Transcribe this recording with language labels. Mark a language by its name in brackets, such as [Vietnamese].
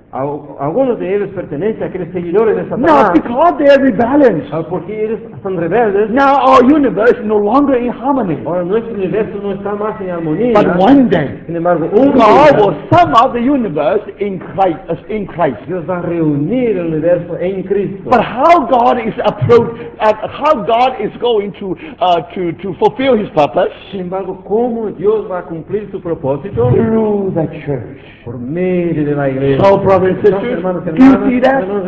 [Spanish] Algunos de ellos pertenecen a aquellos seguidores de Satanás. [English] Now because they are rebellious. [Spanish] Porque ellos son rebeldes. [English] Now our universe is no longer in harmony. [Spanish] Ahora nuestro universo no está más en armonía. [English] But one day, [Spanish] sin embargo, [English] God will sum up the universe in Christ. In Christ. [Spanish] Dios va a reunir el universo en Cristo. [English] But how God is approached? How God is going to fulfill His purpose? [Spanish] Sin embargo, cómo Dios va a cumplir su propósito? [English] Through the church. [Spanish] Por medio de la iglesia. [English] So brothers and sisters, do you see that?